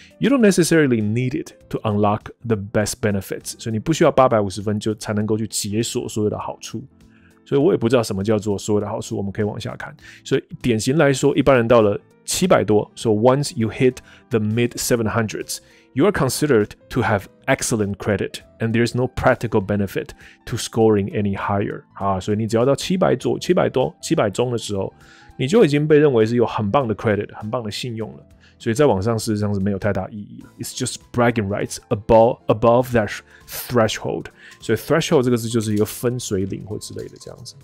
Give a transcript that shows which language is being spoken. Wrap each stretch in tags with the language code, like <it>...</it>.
<en>You don't necessarily need it to unlock the best benefits.</en> <zh>所以你不需要850分就才能够去解锁所有的好处。所以我也不知道什么叫做所有的好处，我们可以往下看。所以典型来说，一般人到了700多，</zh> <en>so once you hit the mid 700s, you are considered to have excellent credit, and there is no practical benefit to scoring any higher.</en> <zh>好，所以你只要到700多、700中的时候，你就已经被认为是有很棒的 credit, 很棒的信用了。所以再往上事实上是没有太大意义了。</zh> <en>It's just bragging rights above that threshold.</en> <zh>所以 threshold 这个字就是一个分水岭或之类的这样子。</zh>